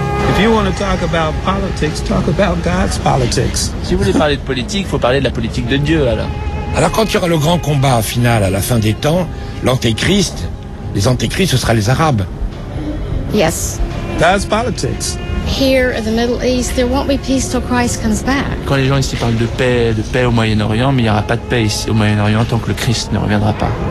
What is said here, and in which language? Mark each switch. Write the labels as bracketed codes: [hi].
[en] If you want to talk about politics, talk about God's politics. [fr] Si vous voulez parler de politique, il faut parler de la politique de Dieu, alors. Alors, quand il y aura le grand combat final à la fin des temps, l'antéchrist, les antéchrists, ce sera les Arabes. [en] Yes. God's politics. Here in the Middle East, there won't be peace till Christ comes back. [fr] Quand les gens ici parlent de paix au Moyen-Orient, mais il n'y aura pas de paix ici au Moyen-Orient tant que le Christ ne reviendra pas.